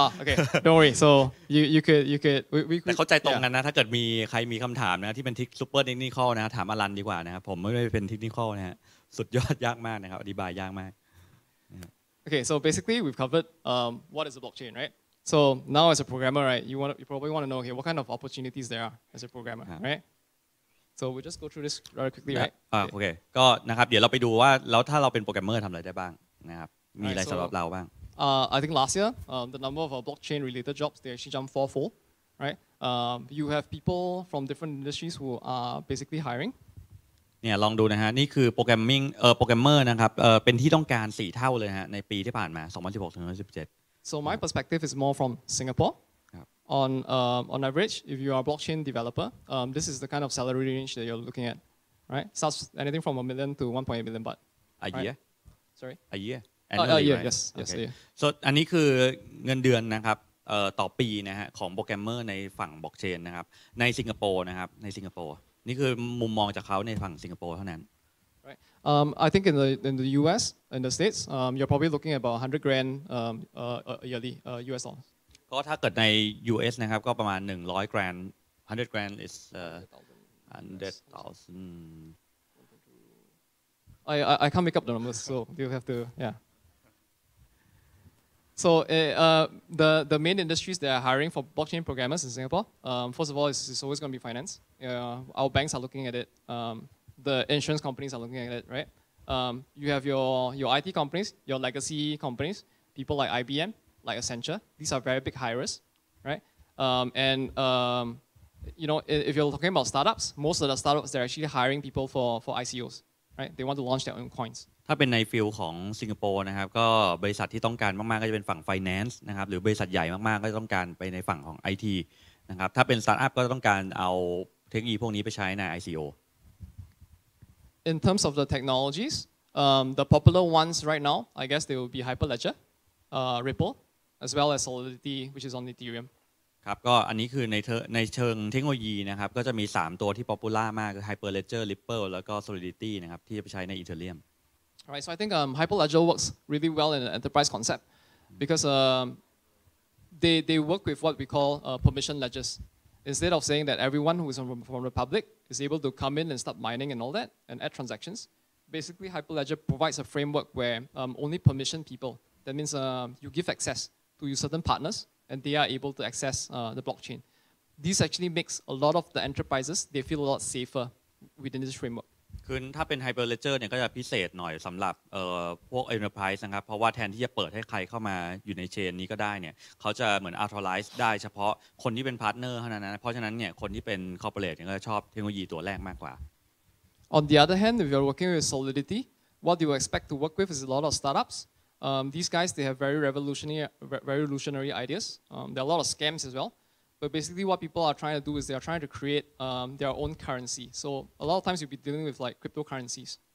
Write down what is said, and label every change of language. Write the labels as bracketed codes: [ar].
[en] okay don't worry so you could we [th] เข้าใจตรงกันนะถ้าเกิดมีใครมีคำถามนะที่เป็น super technical นะถามอรันดีกว่านะครับผมไม่ได้เป็น technical นะฮะสุดยอดยากมากนะครับอธิบายยากมาก [en] okay so basically we've covered what is a blockchain rightSo now as a programmer, right, you probably want to know, okay, what kind of opportunities there are as a programmer, right? So we'll just go through this rather quickly, right? Okay. [th] ก็นะครับเดี๋ยวเราไปดูว่าแล้วถ้าเราเป็นโปรแกรมเมอร์ทำอะไรได้บ้างนะครับมีอะไรสำหรับเราบ้าง [en] I think last year, the number of blockchain related jobs, they actually jumped fourfold, right? You have people from different industries who are basically hiring. [th] เนี่ยลองดูนะฮะนี่คือโปรแกรมมิ่งโปรแกรมเมอร์นะครับเป็นที่ต้องการ4เท่าเลยฮะในปีที่ผ่านมา2016-2017 [en] So my perspective is more from Singapore. Yeah. On average, if you are a blockchain developer, this is the kind of salary range that you're looking at, right? Starts anything from 1 million to 1.8 million baht. A year? Sorry? A year? Yes. Okay. So [th] อันนี้คือเงินเดือนนะครับต่อปีนะฮะของโปรแกรมเมอร์ในฝั่งบล็อกเชนนะครับในสิงคโปร์นะครับในสิงคโปร์นี่คือมุมมองจากเขาในฝั่งสิงคโปร์เท่านั้น [en] I think in the US in the States you're probably looking at about 100 grand yearly US dollars [th] ก็ถ้าเกิดใน US นะครับก็ประมาณ100 grand [en] 100 grand is 100,000 I can't make up the numbers so you have to yeah so the main industries that are hiring for blockchain programmers in Singapore first of all it's always going to be finance our banks are looking at itThe insurance companies are looking at it, right? You have your IT companies, your legacy companies, people like IBM, like Accenture. These are very big hires, right? And you know, if you're talking about startups, most of the startups they're actually hiring people for ICOs, right? They want to launch their own coins. [th] ถ้าเป็นในฟิลของสิงคโปร์นะครับก็บริษัทที่ต้องการมากๆก็จะเป็นฝั่ง finance นะครับหรือบริษัทใหญ่มากๆก็ต้องการไปในฝั่งของ IT นะครับถ้าเป็นสตาร์ทอัพก็ต้องการเอาเทคโนโลยีพวกนี้ไปใช้ใน ICO [en] In terms of the technologies the popular ones right now I guess they will be Hyperledger Ripple as well as Solidity which is on Ethereum [th] ครับก็อันนี้คือในเชิงเทคโนโลยีนะครับก็จะมี3ตัวที่ป๊อปปูล่ามากคือ Hyperledger Ripple แล้วก็ Solidity นะครับที่จะไปใช้ใน Ethereum [en] Right, so I think Hyperledger works really well in an enterprise concept because they work with what we call permission ledgers. Instead of saying that everyone who is from the public is able to come in and start mining and all that and add transactions, basically Hyperledger provides a framework where only permission people, that means you give access to certain partners and they are able to access the blockchain. This actually makes a lot of the enterprises, they feel a lot safer within this framework. [th] คือถ้าเป็น Hyperledger เนี่ยก็จะพิเศษหน่อยสำหรับพวก Enterprise นะครับเพราะว่าแทนที่จะเปิดให้ใครเข้ามาอยู่ในเชนนี้ก็ได้เนี่ยเขาจะเหมือน authorize ได้เฉพาะคนที่เป็น partner เท่านั้นนะเพราะฉะนั้นเนี่ยคนที่เป็น corporate เนี่ยก็ชอบเทคโนโลยีตัวแรกมากกว่า [en] On the other hand if you're working with Solidity what you expect to work with is a lot of startups these guys they have very revolutionary ideas there are a lot of scams as wellBut basically what people are trying to do is they are trying to create their own currency. So a lot of times you'll be dealing with like cryptocurrencies.